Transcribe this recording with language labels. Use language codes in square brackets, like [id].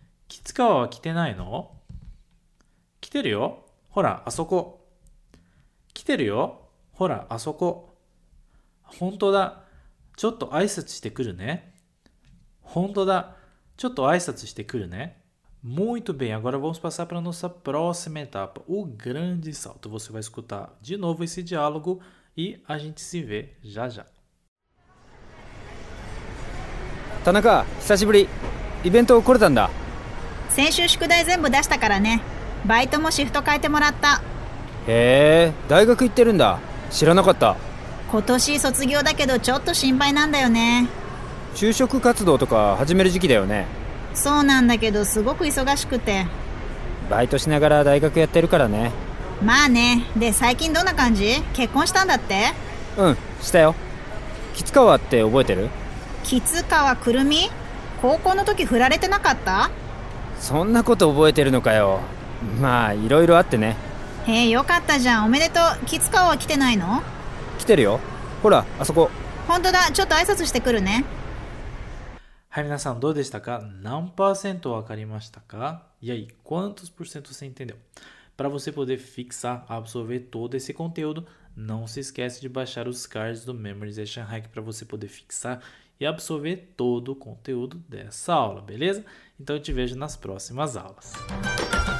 [ja] キツカワは来てないの？来てるよ。ほら、あそこ。来てるよ。ほら、あそこ。本当だ。ちょっと挨拶してくるね。本当だ。ちょっと挨拶してくるね。 [pt] Muito bem, agora vamos passar para a nossa próxima etapa, o grande salto. Você vai escutar de novo esse diálogo e a gente se vê já já. [ja] Tanaka, 久しぶり。イベント来れたんだ。先週宿題全部出したからね。バイトもシフト変えてもらった。へえ、大学行ってるんだ。知らなかった。今年卒業だけどちょっと心配なんだよね。就職活動とか始める時期だよね。そうなんだけど、すごく忙しくて。バイトしながら大学やってるからね。まあね。で、最近どんな感じ？結婚したんだって？うん、したよ。キツカワって覚えてる？キツカワくるみ？高校の時振られてなかった？そんなこと覚えてるのかよ。まあ、いろいろあってね。へえ、よかったじゃん。おめでとう。キツカワは来てないの？来てるよ。ほら、あそこ。本当だ。ちょっと挨拶してくるね。はい、皆さんどうでしたか？何パーセント分かりましたか？ [pt] いやい、quantos por cento você entendeu? Para você poder fixar, absorver todo esse conteúdo, não se esquece de baixar os cards do Memorization Hack para você poder fixar e absorver todo o conteúdo dessa aula, beleza? Então eu te vejo nas próximas aulas.